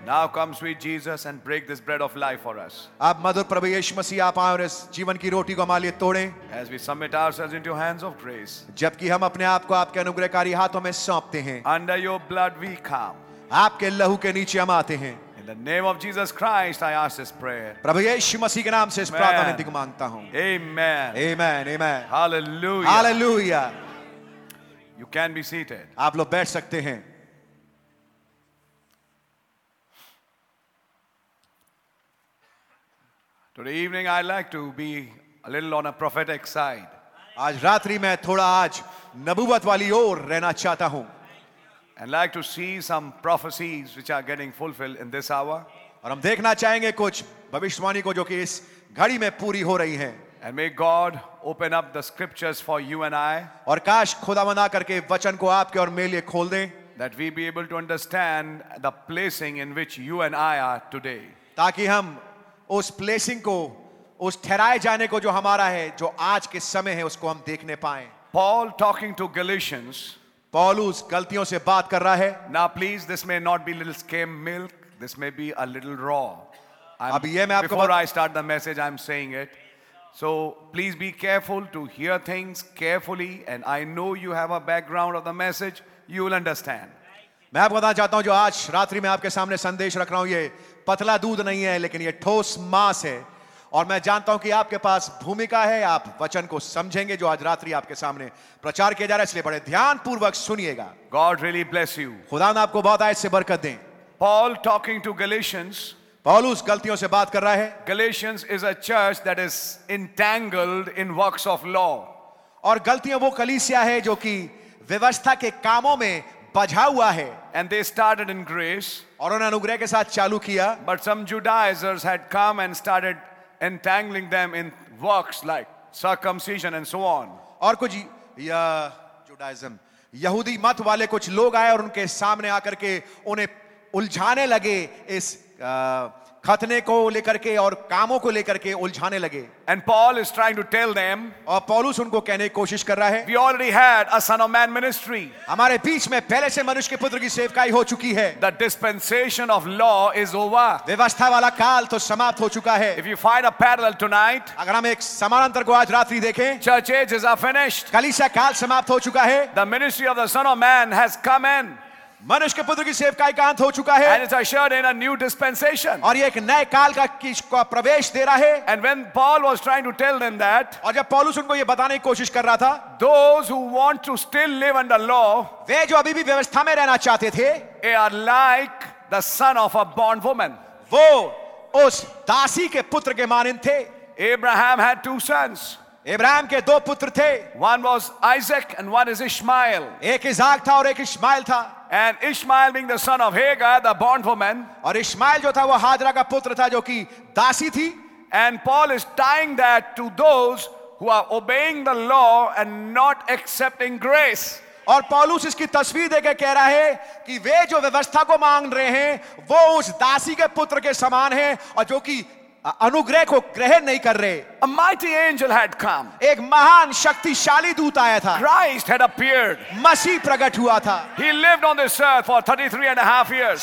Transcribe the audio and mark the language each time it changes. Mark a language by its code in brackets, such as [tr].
[en] Now come sweet Jesus and break this bread of life for us. [hi] अब मधुर प्रभु यीशु मसीह आप आए और इस जीवन की रोटी को हमारे लिए तोड़ें. [en] As we submit ourselves into your hands of grace. [hi] जबकि हम अपने आप को आपके अनुग्रहकारी हाथों में सौंपते हैं. [en] Under your blood we come. [hi] आपके लहू के नीचे हम आते हैं. [en] In the name of Jesus Christ, I ask this prayer. [hi] प्रभु यीशु मसीह के नाम से इस प्रार्थना विनती को मांगता हूँ. [en] Amen. Amen. Amen. Hallelujah. Hallelujah. You can be seated. [hi] आप लोग बैठ सकते हैं. [en] Today evening, I'd like to be a little on a prophetic side. [hi] आज रात्रि मैं थोड़ा आज नबुवत वाली ओर रहना चाहता हूँ. [en] And like to see some prophecies which are getting fulfilled in this hour. [hi] और हम देखना चाहेंगे कुछ भविष्यवाणी को जो कि इस घड़ी में पूरी हो रही हैं. [en] And may God open up the scriptures for you and I. [hi] और काश खुदा मना करके वचन को आपके और मेरे लिए खोल दें. [en] That we be able to understand the placing in which you and I are today. [hi] ताकि हम उस placing को, उस ठहराए जाने को जो हमारा है, जो आज के समय है, उसको हम देखने पाएं. [en] Paul talking to Galatians. [hi] पॉलुस गलतियों से बात कर रहा है. [en] Now please, this may not be little skim milk. This may be a little raw. Before I start the message, I'm saying it. So please be careful to hear things carefully. And I know you have a background of the message. You will understand. [hi] मैं आपको बताना चाहता हूँ जो आज रात्रि में आपके सामने संदेश रख रहा हूँ, ये पतला दूध नहीं है, लेकिन ये ठोस मांस है. और मैं जानता हूं कि आपके पास भूमिका है, आप वचन को समझेंगे जो आज रात्रि आपके सामने प्रचार किया जा रहा है. इसलिए बड़े ध्यान पूर्वक सुनिएगा. [en] God really bless you. [hi] खुदा ने आपको बहुत आयत से बरकत दें. [en] Paul talking to Galatians. [hi] पौलुस गलतियों से बात कर रहा है. [en] Galatians is a church that is entangled in works of law. [hi] और गलतियां वो कलीसिया है जो कि व्यवस्था के कामों में बझा हुआ है. [en] And they started in grace. [hi] और उन्होंने अनुग्रह के साथ चालू किया. [en] But some Judaizers had come and started entangling them in works like circumcision and so on. [hi] और कुछ Judaism, यहूदी मत वाले कुछ लोग आए और उनके सामने आकर के उन्हें उलझाने लगे इस खतने को लेकर के और कामों को लेकर के उलझाने लगे. [en] And Paul is trying to tell them, [hi] और पौलुस उनको कहने की कोशिश कर रहा है, [en] we already had a son of man ministry. [hi] हमारे बीच में पहले से मनुष्य के पुत्र की सेवकाई हो चुकी है. [en] The dispensation of law is over. [hi] व्यवस्था वाला काल तो समाप्त हो चुका है. [en] If you find a parallel tonight, [hi] अगर हम एक समानांतर को आज रात्रि देखें, [en] church ages are finished. [hi] कलीसिया काल समाप्त हो चुका है. [en] The ministry of the son of man has come in. [hi] मनुष्य के पुत्र की सेवकाई का अंत हो चुका है. [en] And it's ushered in a new dispensation. [hi] और ये एक नए काल का किसको प्रवेश दे रहा है. [en] And when Paul was trying to tell them that, [hi] और जब पौलुस उनको ये बताने की कोशिश कर रहा था, [en] those who want to still live under law, [hi] वे जो अभी भी व्यवस्था में रहना चाहते थे, [en] they are like the son of a bond woman. [hi] वो उस दासी के पुत्र के मानिंद थे. [en] Abraham had two sons. [hi] Ibrahim के दो पुत्र थे. [en] One was Isaac and one is Ishmael. [hi] एक इसहाक था और एक इश्माइल था. [en] And Ishmael being the son of Hagar, the bondwoman. [hi] और इश्माइल जो था वो हाजरा का पुत्र था जो कि दासी थी. [en] And Paul is tying that to those who are obeying the law and not accepting grace. [hi] और पौलुस इसकी तस्वीर देकर कह रहा है कि वे जो व्यवस्था को मांग रहे हैं वो उस दासी के पुत्र के समान हैं और जो कि अनुग्रह को ग्रहण नहीं कर रहे. [en] A mighty angel had come. [hi] एक महान शक्तिशाली दूत आया था. [en] Christ had appeared. [hi] मसीह प्रकट हुआ था. [en] He lived on this earth for 33 and a half years.